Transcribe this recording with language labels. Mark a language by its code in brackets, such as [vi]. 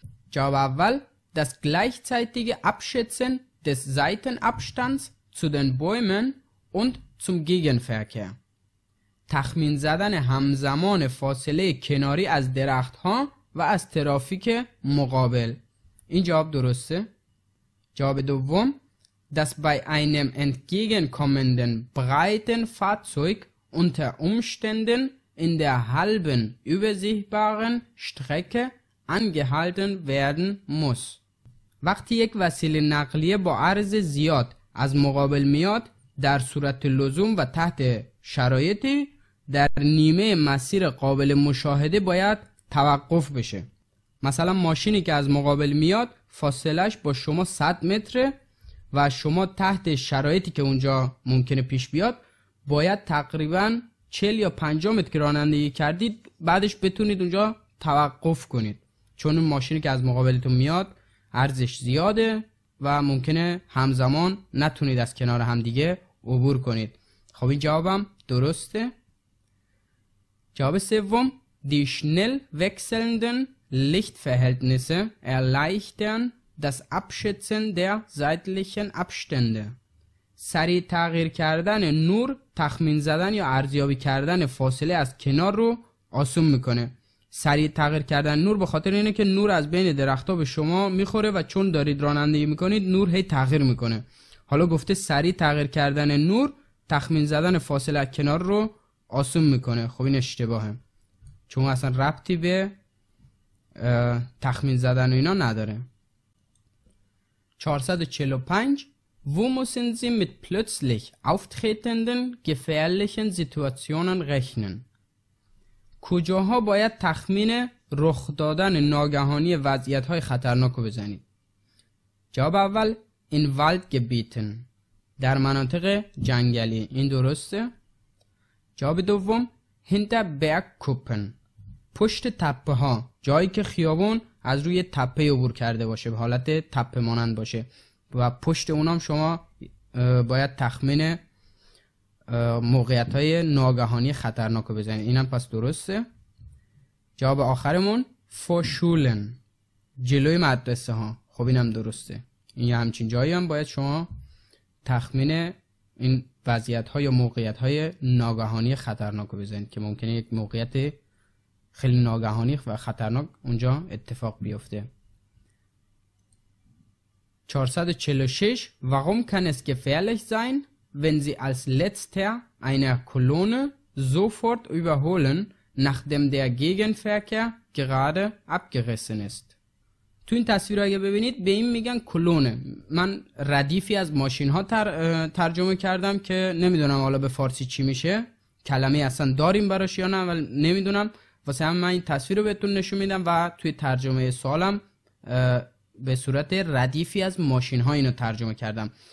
[fa] جواب اول: [de] das gleichzeitige Abschätzen des Seitenabstands zu den Bäumen und zum Gegenverkehr. [fa] تخمین زدن همزمان فاصله کناری از درخت ها و از ترافیک مقابل. این جواب درسته؟ جواب دوم: [de] das bei einem entgegenkommenden breiten Fahrzeug unter Umständen in der halben übersichtbaren Strecke angehalten werden muss. [fa] وقتی یک وسیله نقلیه با عرض زیاد از مقابل میاد، در صورت لزوم و تحت شرایطی در نیمه مسیر قابل مشاهده باید توقف بشه. مثلا ماشینی که از مقابل میاد فاصلش با شما 100 متره و شما تحت شرایطی که اونجا ممکنه پیش بیاد باید تقریبا 40 یا 50 متر رانندگی کردید بعدش بتونید اونجا توقف کنید، چون اون ماشینی که از مقابلتون میاد عرضش زیاده و ممکنه همزمان نتونید از کنار هم دیگه عبور کنید. خب این جوابم درسته؟ جواب سوم: [de] die schnell wechselnden Lichtverhältnisse erleichtern das Abschätzen der seitlichen Abstände. [fa] سریع تغییر کردن نور تخمین زدن یا ارزیابی کردن فاصله از کنار رو آسون میکنه. سریع تغییر کردن نور به خاطر اینه که نور از بین درختها به شما میخوره و چون دارید رانندگی میکنید نور هی تغییر میکنه. حالا گفته سریع تغییر کردن نور تخمین زدن فاصله از کنار رو آسون میکنه. خب این اشتباهه، چون اصلا ربطی به تخمین زدن و اینا نداره. [de] 445: wo müssen Sie mit plötzlich auftretenden gefährlichen Situationen rechnen? [fa] کجاها باید تخمین رخ دادن ناگهانی وضعیت های خطرناک رو بزنید؟ جواب اول: [de] in Waldgebieten، [fa] در مناطق جنگلی. این درسته؟ جواب دوم: [de] hinter Bergkuppen، [fa] پشت تپه ها، جایی که خیابون از روی تپه عبور کرده باشه، به حالت تپه مانند باشه و پشت اونام شما باید تخمین موقعیت های ناگهانی خطرناک رو بزنید. اینم پس درسته. جواب آخرمون: فوشولن، جلوی مدرسه ها. خب اینم درسته، این یه همچین جایی هم باید شما تخمین این وضعیت های موقعیت های ناگهانی خطرناک رو بزنید که ممکنه یک موقعیت خیلی ناگهانی و خطرناک اونجا اتفاق بیفته. [de] 446: warum kann es gefährlich sein, wenn Sie als Letzter einer Kolonne sofort überholen, nachdem der Gegenverkehr gerade abgerissen ist? [fa] تو این تصویر اگه ببینید به این میگن کلونه. من ردیفی از ماشین ها ترجمه کردم که نمیدونم حالا به فارسی چی میشه، کلمه اصلا داریم براش یا نه، ولی نمیدونم، واسه هم من این تصویر رو بهتون نشون میدم و توی ترجمه سوالم به صورت ردیفی از ماشین ها اینو ترجمه کردم.